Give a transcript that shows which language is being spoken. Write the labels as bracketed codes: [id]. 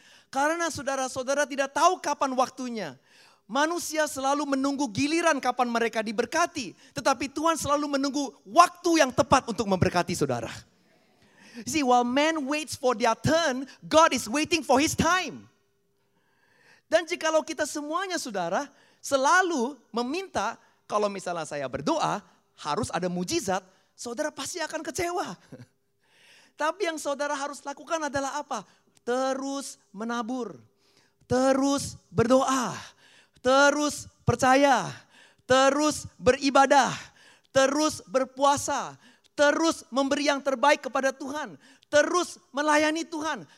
[id] Karena saudara-saudara tidak tahu kapan waktunya. Manusia selalu menunggu giliran kapan mereka diberkati. Tetapi Tuhan selalu menunggu waktu yang tepat untuk memberkati saudara. [en] You see, while man waits for their turn, God is waiting for his time. [id] Dan jikalau kita semuanya, saudara, selalu meminta, kalau misalnya saya berdoa, harus ada mujizat, saudara pasti akan kecewa. Tapi yang saudara harus lakukan adalah apa? Terus menabur, terus berdoa, terus percaya, terus beribadah, terus berpuasa, terus memberi yang terbaik kepada Tuhan, terus melayani Tuhan.